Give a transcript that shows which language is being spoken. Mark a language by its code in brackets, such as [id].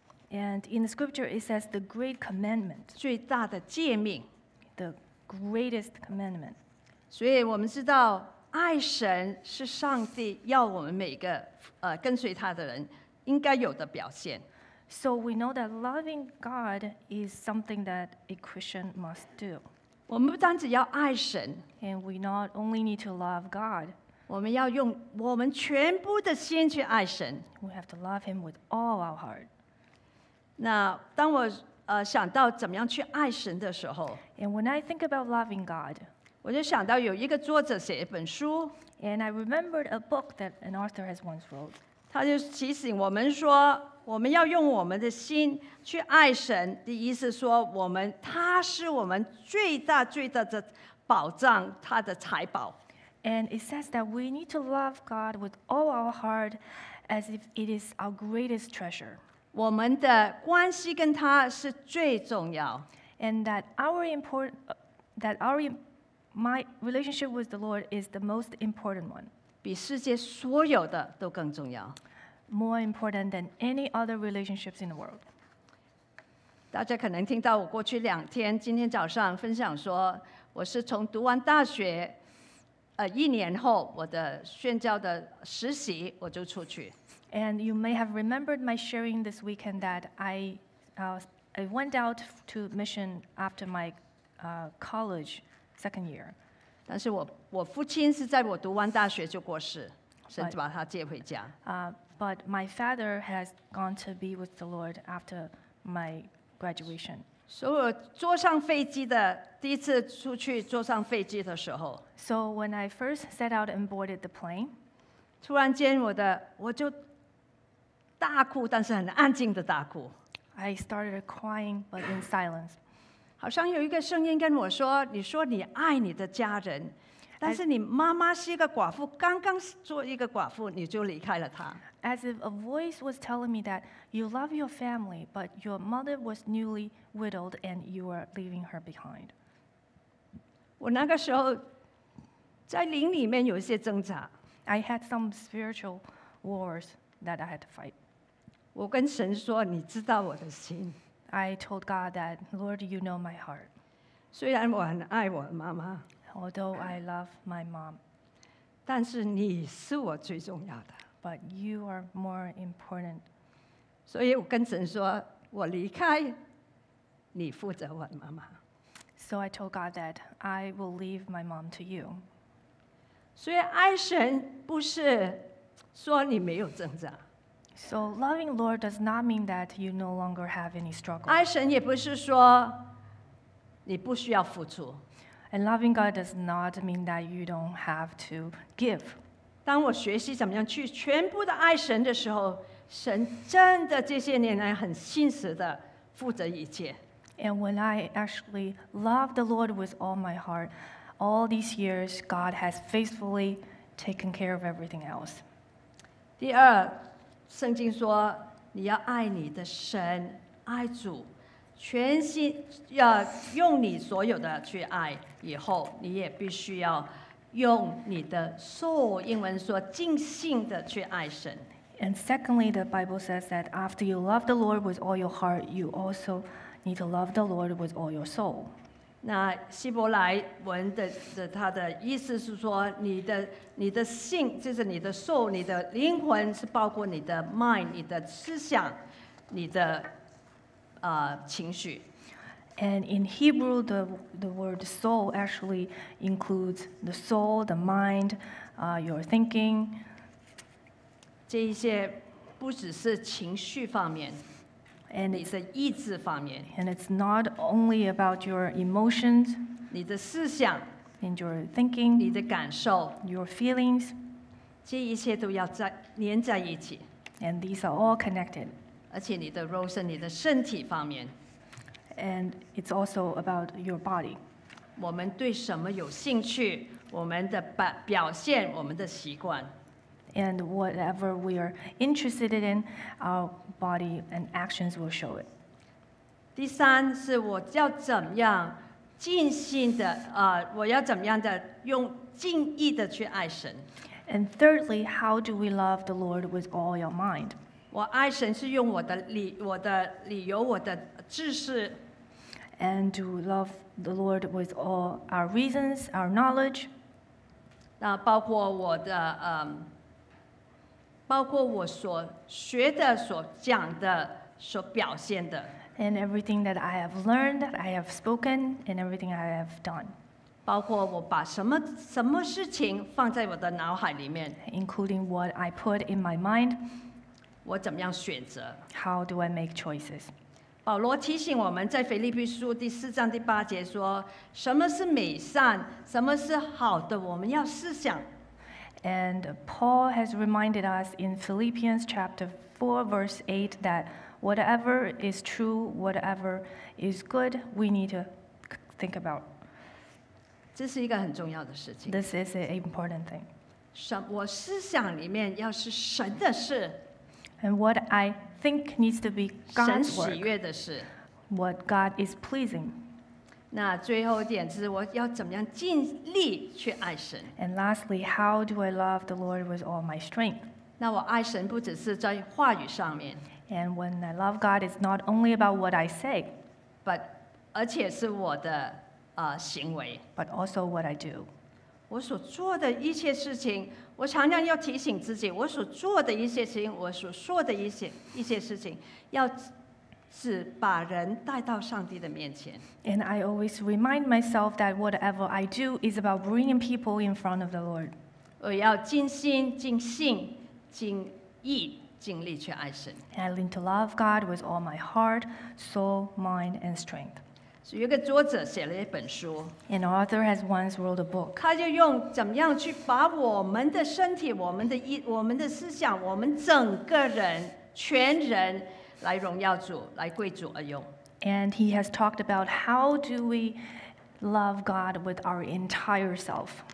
[en] And in the scripture it says the great commandment. [zh] 最大的诫命。 [en] The greatest commandment. [zh] 所以我们知道爱神是上帝要我们每个跟随他的人。应该有的表现。 [en] So we know that loving God is something that a Christian must do. [zh] 我们不单只要爱神。 [en] And we not only need to love God. [zh] 我们要用我们全部的心去爱神。 [en] We have to love him with all our heart. [zh] 那当我想到怎么样去爱神的时候。 [en] And when I think about loving God. [zh] 我就想到有一个作者写一本书。 [en] And I remembered a book that an author has once wrote. [zh] 他就提醒我们说，我们要用我们的心去爱神的意思说，我们他是我们最大最大的宝藏，他的财宝。 [en] And it says that we need to love God with all our heart, as if it is our greatest treasure. [zh] 我们的关系跟他是最重要。 [en] And that our my relationship with the Lord is the most important one. [zh] 比世界所有的都更重要。 [en] More important than any other relationships in the world. [zh] 大家可能听到我过去两天，今天早上分享说，我是从读完大学，一年后我的宣教的实习我就出去。 [en] And you may have remembered my sharing this weekend that I went out to mission after my college second year. [zh] 但是我父亲是在我读完大学就过世，神把他接回家。 [en] But my father has gone to be with the Lord after my graduation. [zh] 所以我坐上飞机的第一次出去坐上飞机的时候 [en] ，So when I first set out and boarded the plane, [zh] 突然间我就大哭，但是很安静的大哭。 [en] I started crying, but in silence. [zh] 好像有一个声音跟我说：“你说你爱你的家人，但是你妈妈是一个寡妇，刚刚做一个寡妇，你就离开了她。” [en] As if a voice was telling me that you love your family, but your mother was newly widowed and you are leaving her behind. [zh] 我那个时候在灵里面有一些挣扎。 [en] I had some spiritual wars that I had to fight. [zh] 我跟神说：“你知道我的心。” [en] I told God that, Lord, you know my heart. [zh] 虽然我很爱我妈妈 [en] although I love my mom, [zh] 但是你是我最重要的 [en] but you are more important. [zh] 所以我跟神说，我离开，你负责我妈妈 [en] So I told God that I will leave my mom to you. [zh] 所以爱神不是说你没有挣扎。 [en] So loving the Lord does not mean that you no longer have any struggle. [zh] 爱神也不是说你不需要付出。 [en] And loving God does not mean that you don't have to give. [zh] 当我学习怎么样去全部的爱神的时候，神真的这些年来很信实的负责一切。 [en] And when I actually love the Lord with all my heart, all these years, God has faithfully taken care of everything else. [zh] 第二圣经说，你要爱你的神，爱主，全心要用你所有的去爱。以后你也必须要用你的 soul， 英文说尽兴的去爱神。 [en] And secondly, the Bible says that after you love the Lord with all your heart, you also need to love the Lord with all your soul. [zh] 那希伯来文的它的意思是说，你的性就是你的 soul， 你的灵魂是包括你的 mind， 你的思想，你的情绪。 [en] And in Hebrew, the word soul actually includes the soul, the mind, your thinking. [zh] 这一些不只是情绪方面。 [en] And it's [zh] 你的意志方面 [en] ，and it's not only about your emotions， [zh] 你的思想 [en] ，and your thinking， [zh] 你的感受 [en] ，your feelings， [zh] 这一切都要在连在一起。 [en] And these are all connected. [zh] 而且你的肉身，你的身体方面。 [en] And it's also about your body. [zh] 我们对什么有兴趣？我们的表现，我们的习惯。 [en] And whatever we are interested in, our body and actions will show it. [zh] 第三是我要怎么样尽心的我要怎么样的用尽意的去爱神。 [en] And thirdly, how do we love the Lord with all your mind? [zh] 我爱神是用我的理由，我的知识。 [en] And to love the Lord with all our reasons, our knowledge. [zh] 那包括我的包括我所学的、所讲的、所表现的。 [en] And everything that I have learned, that I have spoken, and everything I have done. [zh] 包括我把什么事情放在我的脑海里面。 [en] Including what I put in my mind. [zh] 我怎么样选择。 [en] How do I make choices? [zh] 保罗提醒我们在腓立比书第四章第八节说，什么是美善，什么是好的，我们要思想。 [en] And Paul has reminded us in Philippians chapter 4, verse 8, that whatever is true, whatever is good, we need to think about. [zh] 这是一个很重要的事情。 [en] This is an important thing. [zh] 我思想里面要是神的事。 [en] And what I think needs to be God's work. [zh] 神喜悦的事。 [en] What God is pleasing. [zh] 那最后一点是我要怎么样尽力去爱神。 [en] And lastly, how do I love the Lord with all my strength? [zh] 那我爱神不只是在话语上面。 [en] And when I love God, it's not only about what I say, but [zh] 而且是我的行为 [en] but also what I do. [zh] 我所做的一切事情，我常常要提醒自己，我所做的一切事情，我所说的一些事情，要是把人带到上帝的面前。 [en] And I always remind myself that whatever I do is about bringing people in front of the Lord. [zh] 我要尽心、尽性、尽意。尽力去爱神。 [en] And I learn to love God with all my heart, soul, mind, and strength. [zh] 所以一个作者写了一本书。 [en] An author has once wrote a book. [zh] 他就用怎么样去把我们的身体、我们的思想、我们整个人、全人来荣耀主、来归主而用。 [en] And he has talked about how do we love God with our entire self.